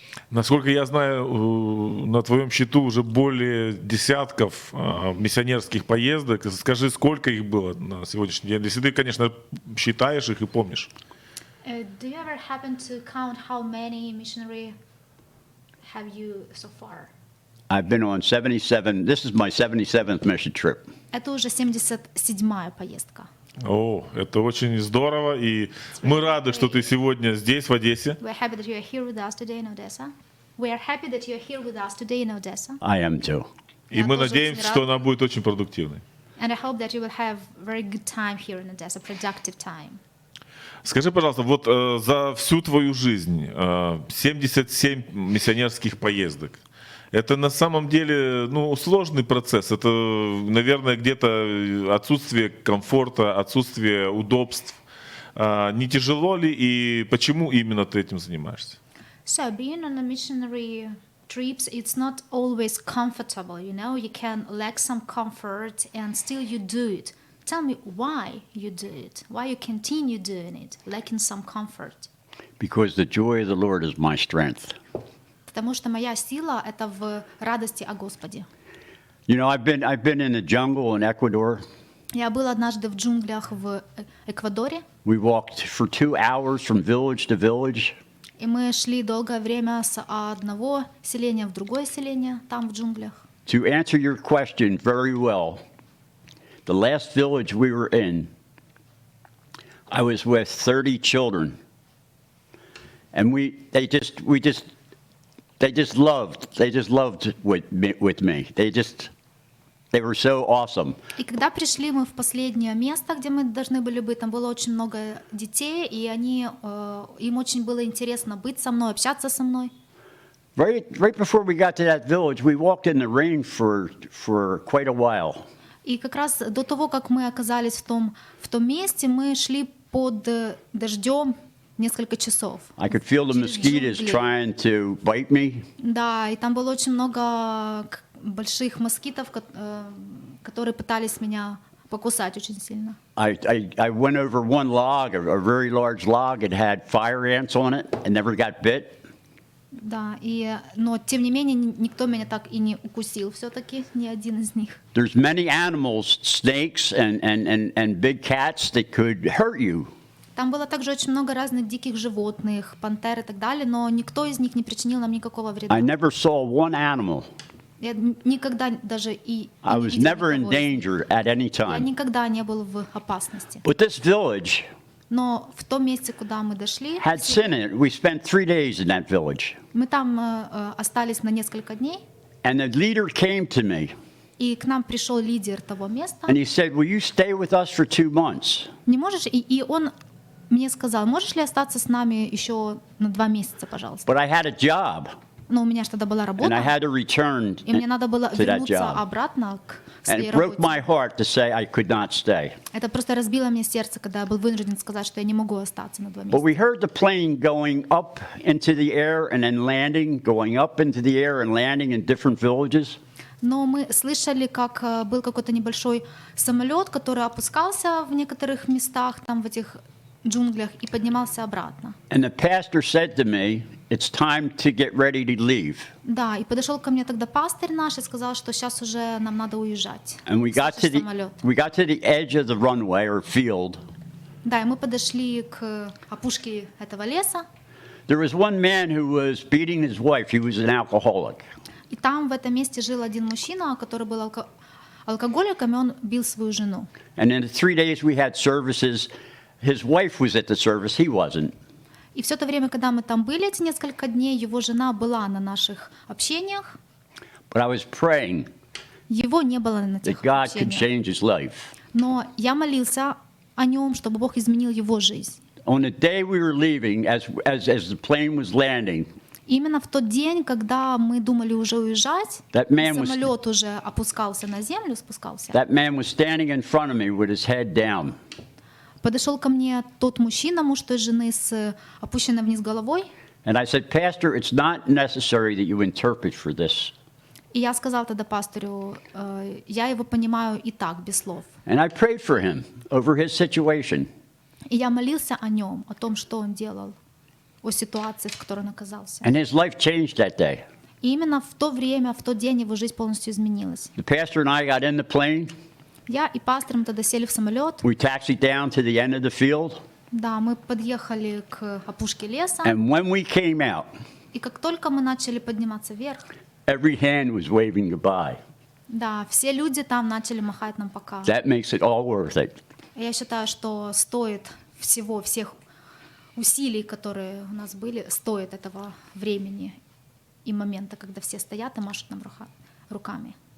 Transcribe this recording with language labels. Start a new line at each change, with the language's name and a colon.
Russian: Насколько я знаю, на твоем счету уже более десятков миссионерских поездок. Скажи, сколько их было на сегодняшний день? Если ты, конечно, считаешь их и помнишь.
English: Do you ever happen to count how many missionary have you so far? I've been on 77. This is my 77th mission trip.
Russian: Это уже 77-я поездка. О, это очень здорово, и мы рады, что ты сегодня здесь, в Одессе.
English: We're happy that you're here with us today in Odessa. We are happy that you're here with us today in Odessa. I am too.
Russian: И мы надеемся, что она будет очень продуктивной.
English: And I hope that you will have very good time here in Odessa, productive time.
Russian: Скажи, пожалуйста, вот за всю твою жизнь 77 миссионерских поездок. Это на самом деле, ну, сложный процесс. Это, наверное, где-то отсутствие комфорта, отсутствие удобств. Не тяжело ли и почему именно ты этим занимаешься?
English: So, being on a missionary trips, it's not always comfortable, you know? You can lack some comfort and still you do it. Tell me why you do it? Why you continue doing it, lacking some comfort? Because the joy of the Lord is my strength.
Russian: Потому что моя сила – это в радости о Господе.
English: You know, I've been in the jungle in Ecuador.
Russian: Я был однажды в джунглях в Эквадоре.
English: We walked for 2 hours from village to village.
Russian: И мы шли долгое время с одного селения в другое селение там в джунглях.
English: To answer your question very well, the last village we were in, I was with 30 children, and they just loved with me. They were so awesome.
Russian: И когда пришли мы в последнее место, где мы должны были быть, там было очень много детей, и им очень было интересно быть со мной, общаться со мной.
English: Right before we got to that village, we walked in the rain for quite a while.
Ukrainian: І якраз до того, як ми оказались в тому місці, ми йшли під дощем кілька часів.
English: I could feel the mosquitoes trying to bite me.
Russian: Да,
Ukrainian: і там було дуже
Russian: много больших
Ukrainian: москитів, які
Russian: пытались меня покусать очень сильно.
English: I went over one log, a very large log, it had fire ants on it and never got bit.
Russian: Да, и но тем не менее никто меня так и не укусил, все-таки ни один из них.
English: There's many animals, snakes and big cats that could hurt you.
Russian: Там было также очень много разных диких животных, пантер и так далее, но никто из них не причинил нам никакого вреда.
English: I never saw one animal.
Russian: Я никогда даже и
English: I was never in danger at any time.
Russian: Я никогда не был в опасности.
English: But this village.
Russian: Но в том месте, куда мы дошли,
English: had sin in it. We spent 3 days in that village.
Russian: Мы там остались на несколько дней.
English: And the leader came to me.
Russian: И к нам пришел лидер того места.
English: And he said, "Will you stay with us for 2 months?"
Russian: Не можешь? И он мне сказал, можешь ли остаться с нами еще на 2 месяца, пожалуйста?
English: But I had a job.
Russian: Но у меня же тогда была работа.
English: And I had to return
Russian: и мне надо было вернуться обратно к
English: And it broke my heart to say I could not stay.
Russian: Это просто разбило мне сердце, когда я был вынужден сказать, что я не могу остаться на 2 месяца.
English: But we heard the plane going up into the air and then landing, going up into the air and landing in different villages.
Russian: Но мы слышали, как был какой-то небольшой самолет, который опускался в некоторых местах там в этих джунглях и поднимался обратно.
English: And the pastor said to me, "It's time to get ready to leave."
Russian: Да, и подошел ко мне тогда пастырь наш и сказал, что сейчас уже нам надо уезжать.
English: And we got to the edge of the runway or field.
Russian: Да, и мы подошли к опушке этого леса.
English: There was one man who was beating his wife. He was an alcoholic.
Russian: И там в этом месте жил один мужчина, который был алкоголиком, и он бил свою жену.
English: And in the 3 days we had services, his wife was at the service, he wasn't.
Russian: И все то время, когда мы там были эти несколько дней, его жена была на наших общениях.
English: But I was praying.
Russian: Его не было на этих общениях. Но я молился о нем, чтобы Бог изменил его жизнь.
English: On the day we were leaving, as the plane was landing.
Russian: Именно в тот день, когда мы думали уже уезжать,
English: that man
Russian: самолет
English: was,
Russian: уже опускался на землю, спускался.
English: That man was standing in front of me with his head down.
Russian: Подошел ко мне тот мужчина, муж той жены, с опущенной вниз головой.
English: And I said, "Pastor, it's not necessary that you interpret for this."
Russian: И я сказал тогда пастору, я его понимаю и так, без слов.
English: And I prayed for him over his situation.
Russian: И я молился о нем, о том, что он делал, о ситуации, в которой он оказался.
English: And his life changed that day.
Russian: И именно в то время, в тот день его жизнь полностью изменилась.
English: The pastor and I got in the plane.
Russian: Я и пастор мы тогда сели в самолет.
English: We taxied down to the end of the field.
Russian: Да, мы подъехали к опушке леса.
English: And when we came out,
Russian: и как только мы начали подниматься вверх,
English: every hand was waving goodbye.
Russian: Да, все люди там начали махать нам пока.
English: That makes it all worth it.
Russian: Я считаю, что стоит всего, всех усилий, которые у нас были, стоит этого времени и момента, когда все стоят и машут нам руками.